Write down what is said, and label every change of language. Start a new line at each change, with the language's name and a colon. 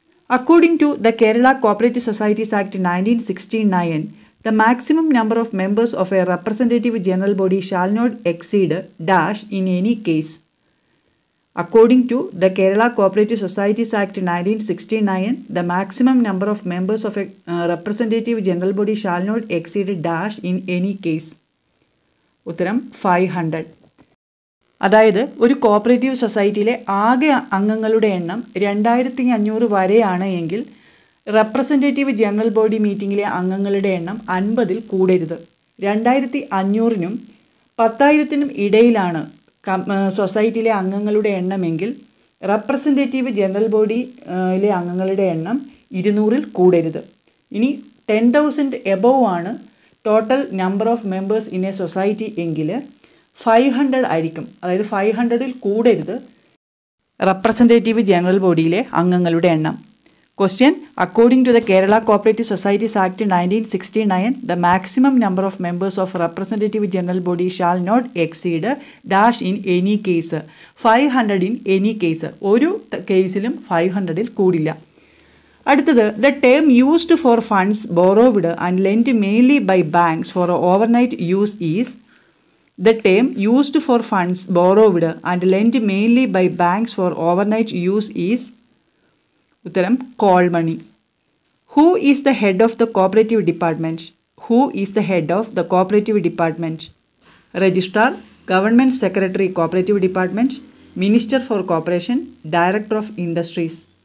English: According to the Kerala Cooperative Societies Act 1969, the maximum number of members of a representative general body shall not exceed dash in any case. According to the Kerala Cooperative Societies Act 1969, the maximum number of members of a representative general body shall not exceed dash in any case.
Malayalam: Uttaram, 500. അതായത് ഒരു cooperative സൊസൈറ്റിയിലെ ആകെ അംഗങ്ങളുടെ എണ്ണം 2500 വരെയാണ് എങ്കിൽ representative general body മീറ്റിംഗിലെ അംഗങ്ങളുടെ എണ്ണം 50ൽ കൂടരുത്. 2500നും 10,000നും ഇടയിലാണ് സൊസൈറ്റിയിലെ അംഗങ്ങളുടെ എണ്ണമെങ്കിൽ റെപ്രസെൻറ്റേറ്റീവ് ജനറൽ ബോഡിയിലെ അംഗങ്ങളുടെ എണ്ണം 200ൽ കൂടരുത്. ഇനി 10,000 എബോവ് ആണ്
English: total number of members in a society
Malayalam: എങ്കിൽ 500 ആയിരിക്കും. അതായത് 500ൽ കൂടരുത് റെപ്രസെൻറ്റേറ്റീവ് ജനറൽ ബോഡിയിലെ അംഗങ്ങളുടെ എണ്ണം.
English: Question: according to the Kerala cooperative societies act 1969, the maximum number of members of representative general body shall not exceed dash in any case.
Malayalam: 500
English: in any case,
Malayalam: ഒരു കേസിലും 500ൽ കൂടില്ല. അടുത്തത്,
English: The term used for funds borrowed and lent mainly by banks for overnight use is. The term used for funds borrowed and lent mainly by banks for overnight use is Uttaram, call money. Who is the head of the cooperative department? Who is the head of the cooperative department? Registrar, Government Secretary Cooperative Department, Minister for Cooperation, Director of Industries.